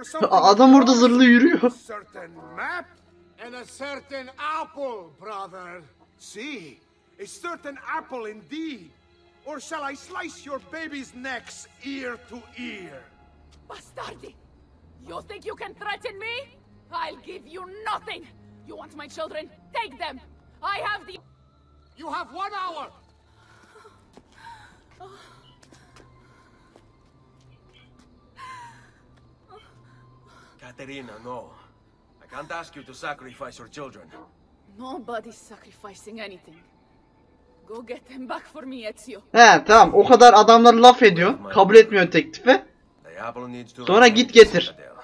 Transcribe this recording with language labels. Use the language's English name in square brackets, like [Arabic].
[Turkish] Adam orada zırhlı yürüyor. [English] Map and a certain apple, brother. See? A certain apple indeed. Or shall I slice your baby's necks ear to ear? [Italian] Bastardi! [English] You think you can threaten me? I'll give you nothing. You want my children? Take them. I have the. You have 1 hour. Caterina, no. I can't ask you to sacrifice your children. Nobody's sacrificing anything. Go get them back for me, Ezio. [Turkish] He, tamam. O kadar adamlar laf ediyor, kabul etmiyor teklifi. Sonra git getir.